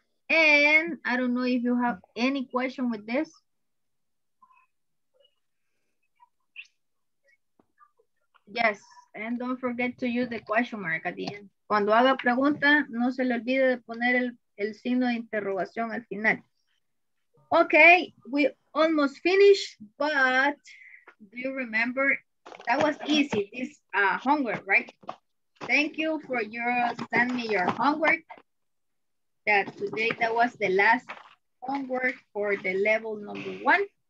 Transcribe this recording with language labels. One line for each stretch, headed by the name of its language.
English: And I don't know if you have any question with this. Yes. And don't forget to use the question mark at the end.
Spanish: Cuando haga pregunta, no se le olvide de poner el signo de interrogación al final.
English: Okay, we almost finished, but do you remember? That was easy, this homework, right? Thank you for your send me your homework. That today, that was the last homework for the level number one.